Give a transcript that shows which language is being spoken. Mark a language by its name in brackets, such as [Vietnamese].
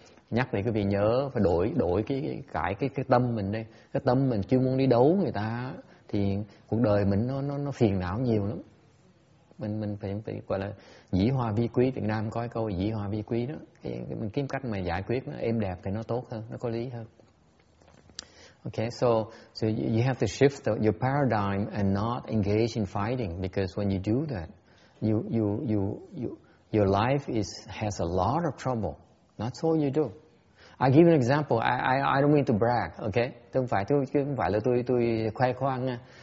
[Vietnamese] Nhắc để quý vị nhớ phải đổi cái tâm mình đi. Cái tâm mình chuyên môn đi đấu người ta thì cuộc đời mình nó phiền não nhiều lắm. Mình phải gọi là dĩ hòa vi quý. Việt Nam có cái câu dĩ hòa vi quý đó. Mình kiếm cách mà giải quyết nó êm đẹp thì nó tốt hơn, nó có lý hơn. [English] Okay, so you have to shift your paradigm and not engage in fighting, because when you do that, your life has a lot of trouble. That's all you do. I give an example. I don't mean to brag. [Vietnamese] Okay, không phải là tôi khoe khoang nha.